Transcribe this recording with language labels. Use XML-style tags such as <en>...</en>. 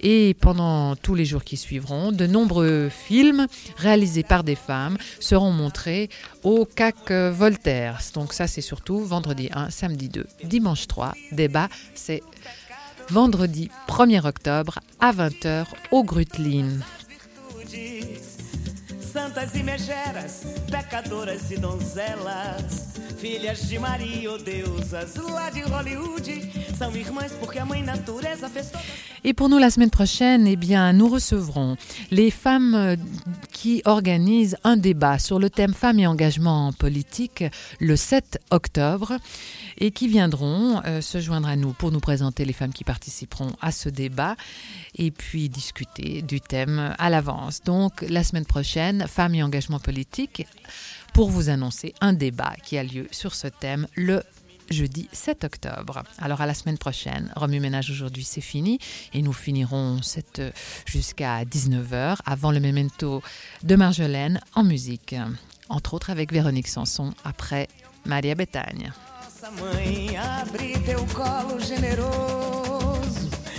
<fr>Et pendant tous les jours qui suivront, de nombreux films réalisés par des femmes seront montrées au CAC Voltaire. Donc ça, c'est surtout vendredi 1, samedi 2, dimanche 3, débat, c'est vendredi 1er octobre à 20h au Grütlin.</fr> <pt>Santas e megeras, pecadoras e donzelas, filhas de Maria, oh deusas, lá de Hollywood, são irmãs porque a mãe natureza fez toda...</pt> <fr>Et pour nous, la semaine prochaine, eh bien, nous recevrons les femmes qui organisent un débat sur le thème « Femmes et engagement politique » le 7 octobre et qui viendront se joindre à nous pour nous présenter les femmes qui participeront à ce débat et puis discuter du thème à l'avance. Donc, la semaine prochaine, « Femmes et engagement politique » pour vous annoncer un débat qui a lieu sur ce thème le jeudi 7 octobre. Alors à la semaine prochaine. Remue Ménage aujourd'hui, c'est fini. Et nous finirons cette jusqu'à 19h avant le memento de Marjolaine en musique. Entre autres avec Véronique Sanson après Maria Bethagne.</fr> <pt>Nossa mãe, abre teu colo generoso.</pt>